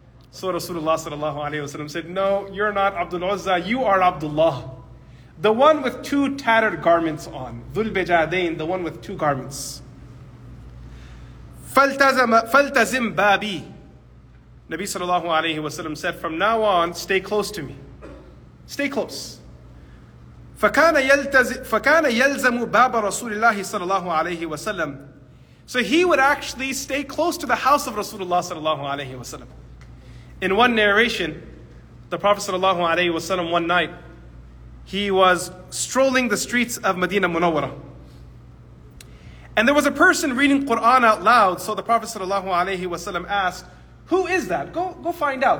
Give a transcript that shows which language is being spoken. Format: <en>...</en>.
<en>So Rasulullah sallallahu alayhi wa sallam said, "No, you're not Abdul-Uzza, you are Abdullah. The one with two tattered garments on. Dhul Bijadain, the one with two garments."</en> <ar>فَلْتَزِمْ بَابِي.</ar> <en>Nabi sallallahu alayhi wa sallam said, "From now on, stay close to me. Stay close."</en> <ar>فَكَانَ يَلْزَمُ بَابَ رَسُولِ اللَّهِ sallallahu alayhi wa sallam.</ar> <en>So he would actually stay close to the house of Rasulullah sallallahu alayhi wa sallam. In one narration, the Prophet sallallahu alayhi wa sallam one night, he was strolling the streets of Medina Munawwara. And there was a person reading Quran out loud, so the Prophet sallallahu alayhi wa sallam asked, "Who is that? Go find out."</en>